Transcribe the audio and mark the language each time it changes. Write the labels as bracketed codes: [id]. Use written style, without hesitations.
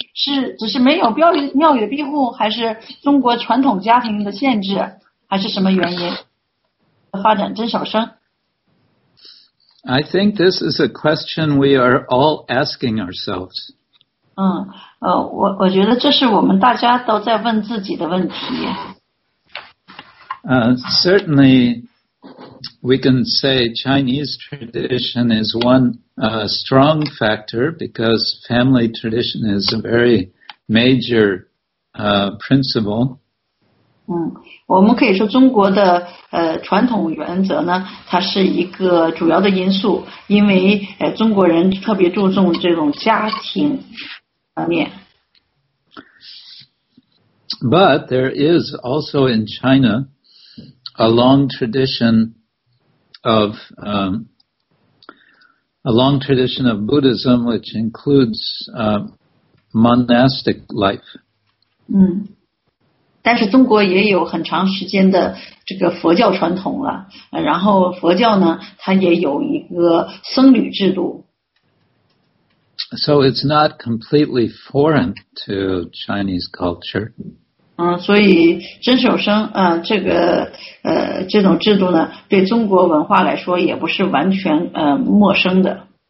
[zh] 是只是没有庙宇的庇护，还是中国传统家庭的限制，还是什么原因？ [en] I think this is a question we are all asking ourselves. [zh] 我觉得这是我们大家都在问自己的问题。 [en] Certainly, we can say Chinese tradition is one strong factor because family tradition is a very major principle. [zh] 我们可以说中国的传统原则呢，它是一个主要的因素，因为中国人特别注重这种家庭方面。 [en] But there is also in China a long tradition of a long tradition of Buddhism, which includes monastic life. [zh] 但是中国也有很长时间的这个佛教传统了，然后佛教呢，它也有一个僧侣制度。 [en] So it's not completely foreign to Chinese culture. [zh] 所以真守生，这个这种制度呢，对中国文化来说也不是完全陌生的。